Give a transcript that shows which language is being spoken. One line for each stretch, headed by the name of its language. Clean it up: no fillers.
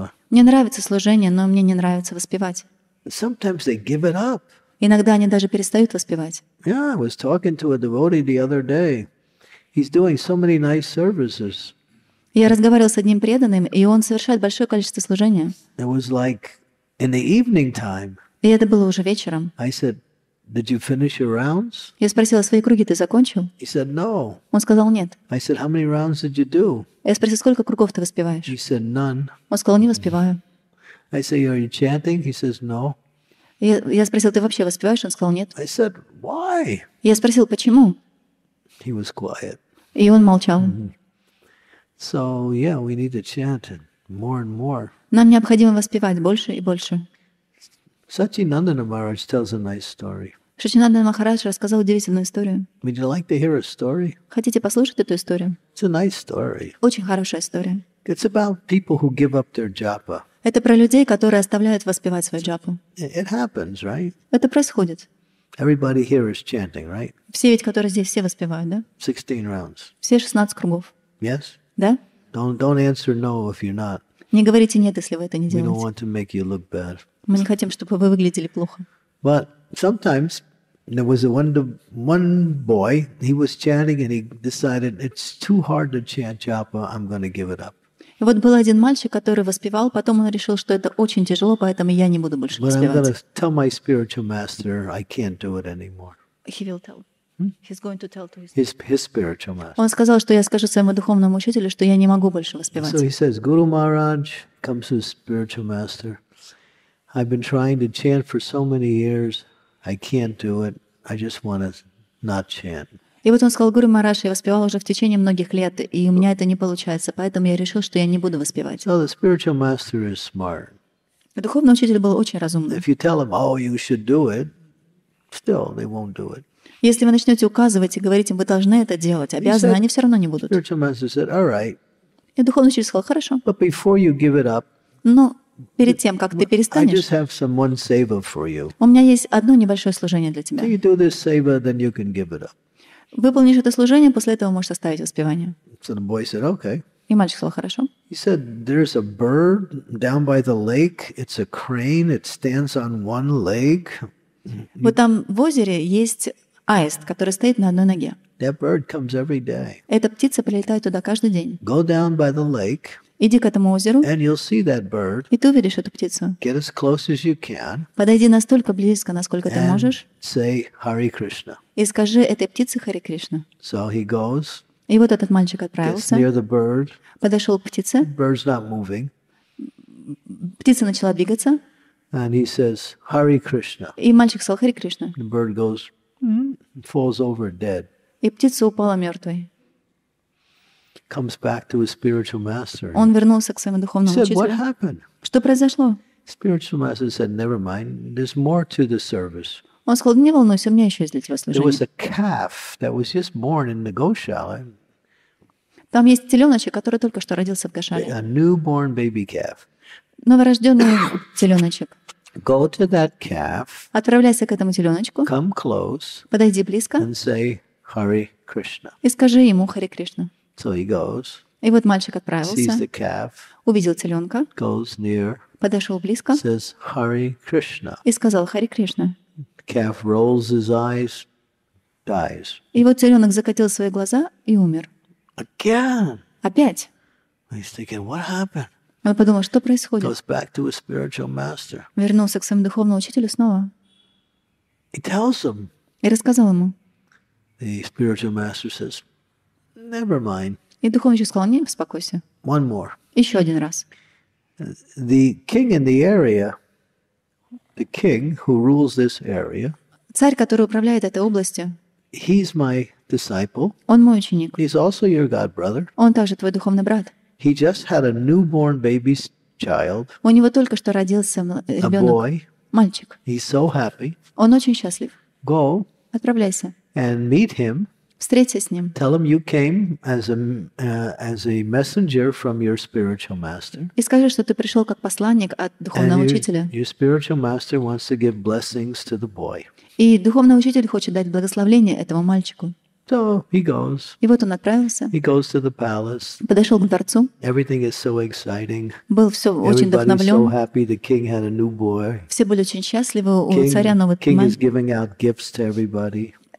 Russian: Мне нравится служение, но мне не нравится воспевать.
English: Sometimes they give it up.
Russian: Иногда они даже перестают воспевать.
English: Yeah, I was talking to a devotee the other day. He's doing so many nice services.
Russian: Я разговаривал с одним преданным, и он совершает большое количество служения.
English: It was like in the evening time.
Russian: И это было уже вечером.
English: I said, did you finish your rounds?
Russian: Я спросила, свои круги ты закончил?
English: He said, no.
Russian: Он сказал, нет.
English: I said, how many rounds did you do?
Russian: Я спросила, сколько кругов ты воспеваешь?
English: He said, none.
Russian: Он сказал, не воспеваю.
English: I said, are you chanting? He says, no.
Russian: Я спросила, ты вообще воспеваешь? Он сказал, нет.
English: I said, why?
Russian: Я спросила, почему?
English: He was quiet.
Russian: И он молчал. Mm-hmm.
English: So, yeah, we need to chant more and more.
Russian: Нам необходимо воспевать больше и больше.
English: Сачинандана Махарадж tells a nice story.
Russian: Сачинандана Махарадж рассказал удивительную историю.
English: Would you like to hear a story?
Russian: Хотите послушать эту историю?
English: It's a nice story.
Russian: Очень хорошая история.
English: It's about people who give up their japa.
Russian: Это про людей, которые оставляют воспевать свою джапу.
English: It happens, right?
Russian: Это происходит.
English: Everybody here is chanting, right?
Russian: Все ведь, которые здесь, все воспевают, да?
English: 16 rounds.
Russian: Все 16 кругов.
English: Yes?
Russian: Да?
English: Don't answer no if you're not.
Russian: Не говорите нет, если вы это не делаете.
English: We don't want to make you look bad.
Russian: Мы не хотим, чтобы вы выглядели плохо.
English: But sometimes There was one boy, he was chanting and he decided it's too hard to chant japa, I'm going to give it up.
Russian: И вот был один мальчик, который воспевал, потом он решил, что это очень тяжело, поэтому я не буду больше воспевать.
English: But I'm going to tell my spiritual master I can't do it anymore. He will tell. He's going to tell to his spiritual master.
Russian: Он сказал, что я скажу своему духовному учителю, что я не могу больше воспевать.
English: So he says, Guru Maharaj comes to his spiritual master. I've been trying to chant for so many years. I can't do it. I just want to not chant.
Russian: И вот он сказал, Гуру Мараш, я воспевал уже в течение многих лет, и у меня это не получается, поэтому я решил, что я не буду воспевать.
English: So the spiritual master is smart.
Russian: Духовный учитель был очень разумный.
English: If you tell him, oh, you should do it, still they won't do it.
Russian: Если вы начнете указывать и говорить им, вы должны это делать, обязаны, они все равно не будут.
English: Spiritual master said, all right.
Russian: И духовный учитель сказал, хорошо.
English: But before you give it up,
Russian: но перед тем, как ты перестанешь,
English: I just have some one seva for you.
Russian: У меня есть одно небольшое служение для тебя.
English: So you do this seva, then you can give it up.
Russian: Выполнишь это служение, после этого можешь оставить воспевание.
English: So the boy said, okay.
Russian: И мальчик сказал, хорошо.
English: He said, there's a bird down by the lake. It's a crane. It stands on one leg.
Russian: Вот там в озере есть аист, который стоит на одной ноге.
English: That bird comes every day.
Russian: Эта птица прилетает туда каждый день.
English: Go down by the lake.
Russian: Иди к этому озеру.
English: And you'll see that bird.
Russian: И ты увидишь эту птицу.
English: Get as close as you can.
Russian: Подойди настолько близко, насколько ты можешь.
English: Say Hare Krishna.
Russian: И скажи этой птице Харе Кришна.
English: So he goes.
Russian: И вот этот мальчик отправился.
English: Near the bird.
Russian: Подошел к птице.
English: Bird's not moving.
Russian: Птица начала двигаться.
English: And he says Hare Krishna.
Russian: И мальчик сказал Харе Кришна.
English: The bird goes, falls over dead.
Russian: И птица упала мертвой.
English: Comes back to his spiritual master.
Russian: Он вернулся к своему духовному учителю.
English: Said, what happened?
Russian: Что произошло?
English: Spiritual master said, never mind. There's more to the service.
Russian: Он сказал, не волнуйся, у меня еще есть для тебя служение.
English: There was a calf that was just born in the Goshala.
Russian: Там есть теленочек, который только что родился в Гошале.
English: A newborn baby calf.
Russian: Новорожденный теленочек.
English: Go to that calf.
Russian: Отправляйся к этому теленочку.
English: Come close.
Russian: Подойди близко.
English: And say Hare Krishna.
Russian: И скажи ему Харе Кришна.
English: So he goes.
Russian: И вот мальчик отправился.
English: Sees the calf.
Russian: Увидел теленка.
English: Goes near.
Russian: Подошел близко.
English: Says Hare Krishna.
Russian: И сказал Харе Кришна.
English: Calf rolls his eyes, dies.
Russian: И вот теленок закатил свои глаза и умер.
English: Again.
Russian: Опять.
English: He's thinking, what happened?
Russian: Он подумал, что происходит?
English: Goes back to his spiritual master.
Russian: Вернулся к своему духовному учителю снова.
English: He tells him.
Russian: И рассказал ему.
English: The spiritual master says, never mind.
Russian: И духовный учитель сказал, не беспокойся.
English: One more.
Russian: Еще один раз.
English: The king in the area, the king who rules this area,
Russian: царь, который управляет этой областью,
English: he's my disciple.
Russian: Он мой ученик.
English: He's also your god brother.
Russian: Он также твой духовный брат.
English: He just had a newborn baby child.
Russian: У него только что родился ребенок.
English: A boy.
Russian: Мальчик.
English: He's so happy.
Russian: Он очень счастлив.
English: Go.
Russian: Отправляйся.
English: And meet him.
Russian: Встреться с ним.
English: Tell him you came as a messenger from your spiritual master.
Russian: И скажи, что ты пришел как посланник от духовного учителя.
English: Your spiritual master wants to give blessings to the boy.
Russian: И духовный учитель хочет дать благословение этому мальчику.
English: So he goes.
Russian: И вот он отправился.
English: He goes to the palace.
Russian: Подошел к дворцу.
English: Everything is so exciting.
Russian: Был все очень вдохновлен.
English: Everybody's so happy. The king had a new boy.
Russian: Все были очень счастливы. У царя новый мальчик.
English: King is giving out gifts to everybody.